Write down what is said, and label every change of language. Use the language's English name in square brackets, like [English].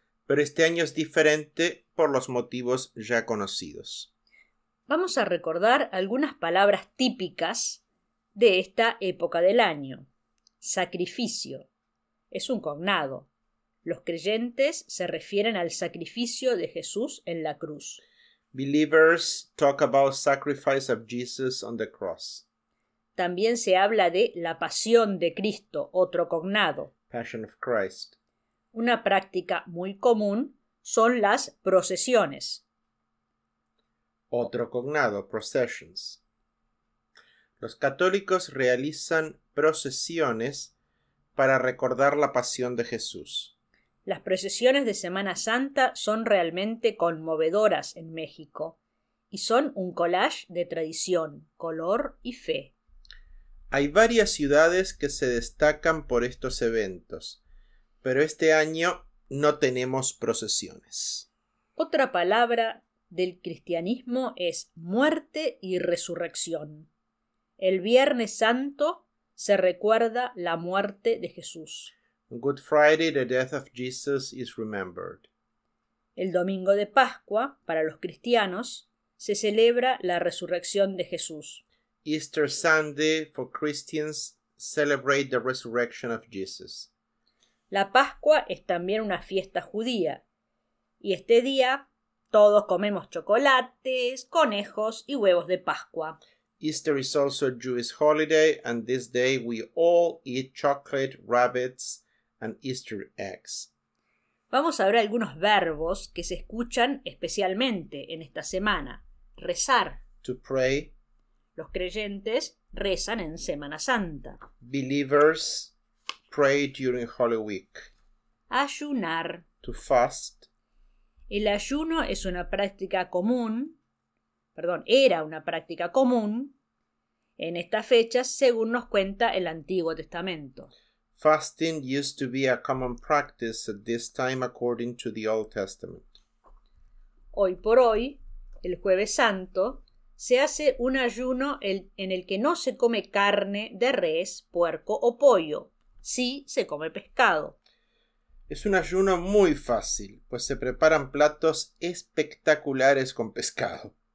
[Spanish] Pero este año es diferente por los motivos ya conocidos. Vamos a recordar algunas palabras típicas de esta época del año. Sacrificio. Es un cognado. Los creyentes se refieren al sacrificio de Jesús en la cruz. [English] Believers talk about sacrifice of Jesus on the cross. [Spanish] También se habla de la pasión de Cristo, otro cognado. [English] Passion of Christ. [Spanish] Una práctica muy común son las procesiones. Otro cognado, processions. Los católicos realizan procesiones para recordar la pasión de Jesús. Las procesiones de Semana Santa son realmente conmovedoras en México y son un collage de tradición, color y fe. Hay varias ciudades que se destacan por estos eventos, pero este año no tenemos procesiones. Otra palabra del cristianismo es muerte y resurrección. El Viernes Santo se recuerda la muerte de Jesús. [English] On Good Friday, the death of Jesus is remembered. [Spanish] El domingo de Pascua, para los cristianos, se celebra la resurrección de Jesús. [English] Easter Sunday, for Christians, celebrate the resurrection of Jesus. [Spanish] La Pascua es también una fiesta judía, y este día todos comemos chocolates, conejos y huevos de Pascua. [English] Easter is also a Jewish holiday, and this day we all eat chocolate, rabbits, and Easter eggs. [Spanish] Vamos a ver algunos verbos que se escuchan especialmente en esta semana. Rezar. [English] To pray. [Spanish] Los creyentes rezan en Semana Santa. [English] Believers pray during Holy Week. [Spanish] Ayunar. [English] To fast. [Spanish] El ayuno es una práctica común, era una práctica común en estas fechas, según nos cuenta el Antiguo Testamento. [English] Fasting used to be a common practice at this time according to the Old Testament. [Spanish] Hoy por hoy, el Jueves Santo, se hace un ayuno en el que no se come carne de res, puerco o pollo. Sí, se come pescado. Es un ayuno muy fácil, pues se preparan platos espectaculares con pescado.